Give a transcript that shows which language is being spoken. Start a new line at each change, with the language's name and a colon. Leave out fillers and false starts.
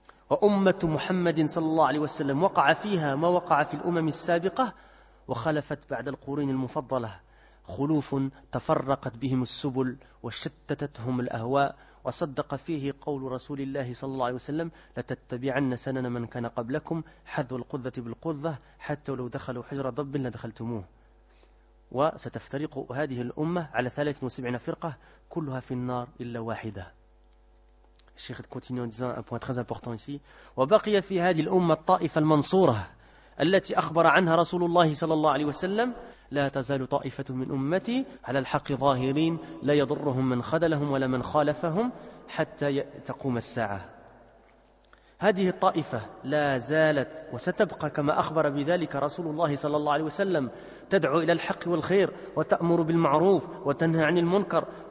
Arabic: وأمة محمد صلى الله عليه وسلم وقع فيها ما وقع في الأمم السابقة وخلفت بعد القرون المفضلة خلوف تفرقت بهم السبل وشتتتهم الأهواء وصدق فيه قول رسول الله صلى الله عليه وسلم لتتبعن سنن من كان قبلكم حذوا القذة بالقذة حتى لو دخلوا حجر ضب لدخلتموه وستفترق هذه الأمة على 73 فرقة كلها في النار إلا واحدة.
French: الشيخ continue en disant un point très important ici.
Arabic: وبقي في هذه الأمة الطائفة المنصورة التي أخبر عنها رسول الله صلى الله عليه وسلم لا تزال طائفة من أمتي على الحق ظاهرين لا يضرهم من خذلهم ولا من خالفهم حتى تقوم الساعة. هذه الطائفة لا زالت وستبقى كما أخبر بذلك رسول الله صلى الله عليه وسلم تدعو إلى الحق والخير وتأمر بالمعروف وتنهى عن المنكر